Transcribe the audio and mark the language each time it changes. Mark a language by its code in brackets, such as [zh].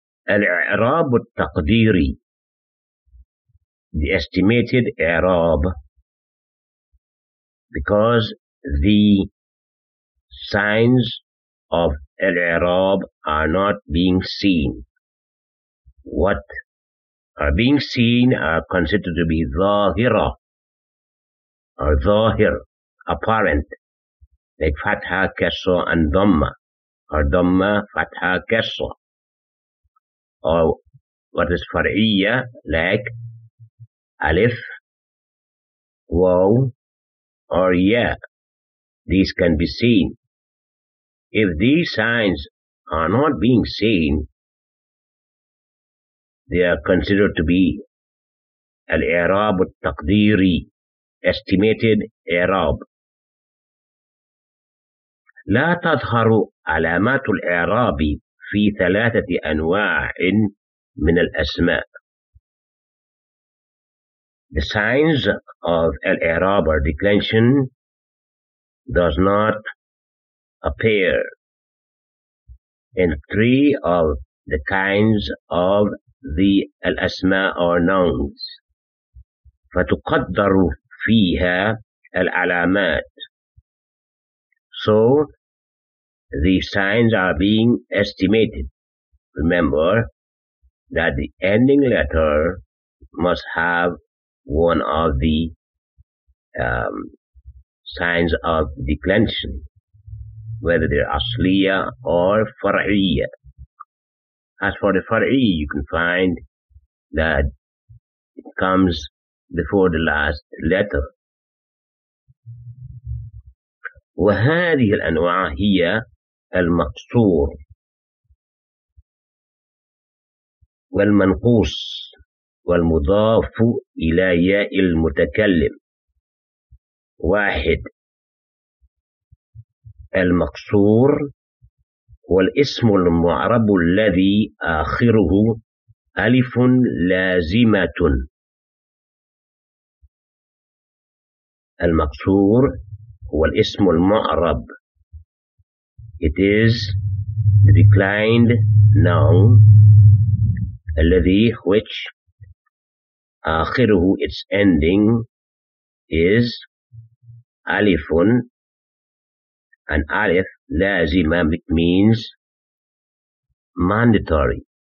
[ar] الإعراب التقديري [en] The estimated إعراب Because the signs of Al-Irab are not being seen. What are being seen are considered to be Zahira or Zahir, apparent, like Fatha, Kasra and Dhamma or Dhamma, Fatha, Kasra or what is Far'iyya like Alif, Waw or Ya. These can be seen. If these signs are not being seen, they are considered to be al-i'rab al-taqdiri, estimated i'rab. [ar] لا تظهر علامات الاعراب في ثلاثة انواع من الاسماء. [en] The signs of al-i'rab or declension does not appear in three of the kinds of the al-asma or nouns. [ar] فتقدر فيها العلامات. [en] So, the signs are being estimated. Remember that the ending letter must have one of the signs of declension, whether they're asliya or far'iyya. As for the far'iyya, you can find that it comes before the last letter. [ar] وهذه الأنواع هي المقصور والمنقوص والمضاف إلى ياء المتكلم. واحد، المقصور هو الاسم المعرب الذي آخره ألف لازمة. المقصور هو الاسم المعرب. [en] It is the declined noun [ar] الذي [en] which [ar] آخره [en] its ending is ألف. An [ar] ألف لازمة [en] means mandatory.